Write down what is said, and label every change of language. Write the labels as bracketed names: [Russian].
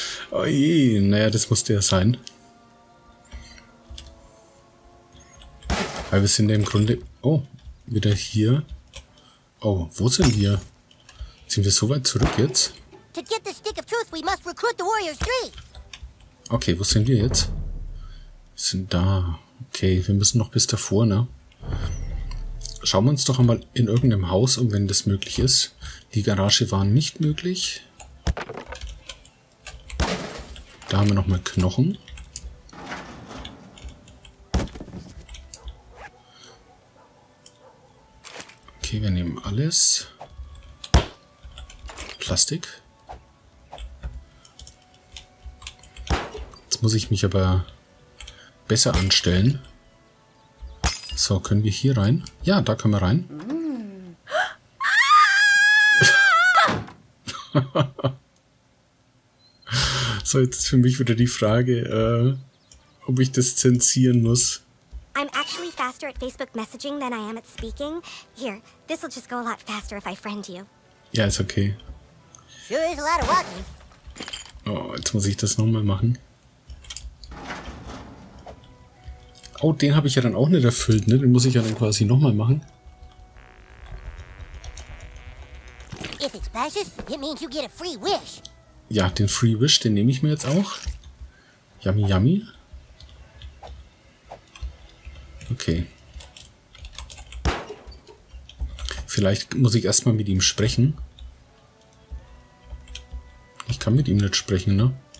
[German] Oje, naja, das musste ja sein. Weil wir sind ja im Grunde... Oh, wieder hier. Oh, wo sind wir? Sind wir so weit zurück jetzt? [English] To get the stick of truth, we must recruit the Warriors 3. [German] Okay, wo sind wir jetzt? Wir sind da. Okay, wir müssen noch bis davor, ne? Schauen wir uns doch einmal in irgendeinem Haus um, wenn das möglich ist. Die Garage war nicht möglich. Da haben wir nochmal Knochen. Okay, wir nehmen alles. Plastik. Jetzt muss ich mich aber besser anstellen. So, können wir hier rein? Ja, da können wir rein. So, jetzt ist für mich wieder die Frage, ob ich das zensieren muss. [English] I'm actually faster at Facebook Messaging than I am at speaking. Here, this'll just go a lot faster if I friend you. [German] Ja, ist okay. [English] Sure is a lot of walking. [German] Oh, jetzt muss ich das nochmal machen. Oh, den habe ich ja dann auch nicht erfüllt, ne? Den muss ich ja dann quasi nochmal machen. [English] If it passes, it means you get a free wish. [German] Ja, den Free Wish, den nehme ich mir jetzt auch. [English] Yummy, yummy. Okay. [German] Vielleicht muss ich erstmal mit ihm sprechen. Ich kann mit ihm nicht sprechen, ne?